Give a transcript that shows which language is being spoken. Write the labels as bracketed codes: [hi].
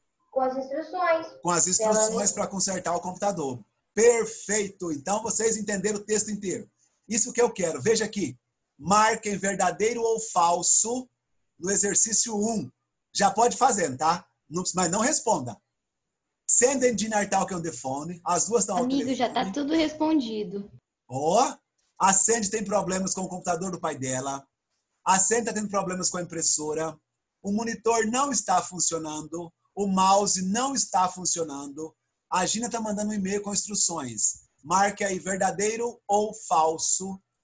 [pt] Com as instruções. Com as instruções para consertar o computador. Perfeito. Então, vocês entenderam o texto inteiro. Isso que eu quero. Veja aqui. Marquem verdadeiro ou falso no exercício 1. Já pode fazer, tá? Mas não responda. [en] Sandy and Gina are talking on the phone. [pt] As duas estão ao telefone. Amigo, já está tudo respondido. Ó, a Sandy tem problemas com o computador do pai dela. A Sandy está tendo problemas com a impressora. O monitor não está funcionando. O mouse não está funcionando. A Gina está mandando um e-mail com instruções. Marque aí verdadeiro ou falso